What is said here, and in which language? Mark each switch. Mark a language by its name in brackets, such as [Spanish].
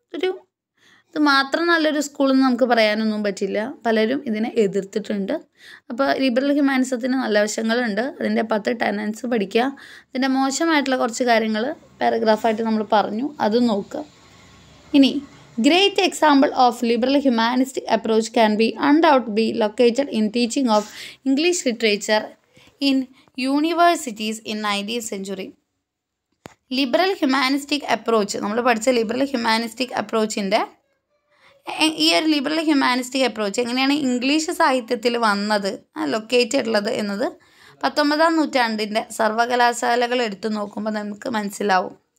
[Malayalam] ഒരു ഇത് മാത്രം നല്ലൊരു സ്കൂളെന്ന് നമുക്ക് പറയാനൊന്നും പറ്റില്ല, പലരും ഇതിനെ എതിർത്തിട്ടുണ്ട്. അപ്പോൾ ലിബറൽ ഹ്യൂമാനിസത്തിന് നല്ല വശങ്ങളുണ്ട്, അതിൻ്റെ 10 ടെനൻസ് പഠിക്കുക. അതിൻ്റെ മോശമായിട്ടുള്ള കുറച്ച് കാര്യങ്ങൾ പാരഗ്രാഫായിട്ട് നമ്മൾ പറഞ്ഞു, അത് നോക്കുക. ഇനി [English] Great example of liberal humanistic approach can be undoubtedly located in teaching of English literature in universities in 19th century. [Malayalam] Liberal humanistic approach നമ്മൾ പഠിച്ച ലിബറൽ ഹ്യൂമാനിസ്റ്റിക് അപ്രോച്ചിൻ്റെ ഈ ഒരു ലിബറൽ ഹ്യൂമാനിസ്റ്റിക് അപ്രോച്ച് എങ്ങനെയാണ് ഇംഗ്ലീഷ് സാഹിത്യത്തിൽ വന്നത് ലൊക്കേറ്റഡ് ഉള്ളത് എന്നത് 19th century സർവകലാശാലകൾ എടുത്തു നോക്കുമ്പോൾ നമുക്ക് മനസ്സിലാവും.